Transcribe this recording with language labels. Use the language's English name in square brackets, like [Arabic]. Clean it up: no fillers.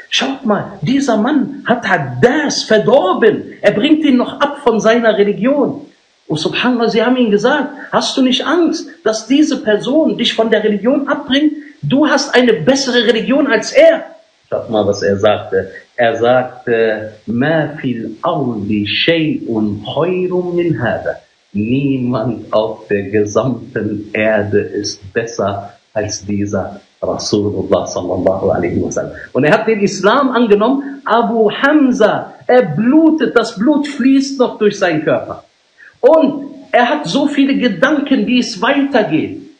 [German] Schaut mal, dieser Mann hat Addas verdorben. Er bringt ihn noch ab von seiner Religion. Und subhanallah, sie haben ihm gesagt, hast du nicht Angst, dass diese Person dich von der Religion abbringt? Du hast eine bessere Religion als er. Schaut mal, was er sagte. Er sagte, [Arabic] مَا فِي الْأَرْضِ شَيْءٌ خَيْرٌ مِنْ هَذَا. [German] Niemand auf der gesamten Erde ist besser als dieser Rasulullah sallallahu alaihi wasallam. Und er hat den Islam angenommen, Abu Hamza, er blutet, das Blut fließt noch durch seinen Körper. Und er hat so viele Gedanken, wie es weitergeht.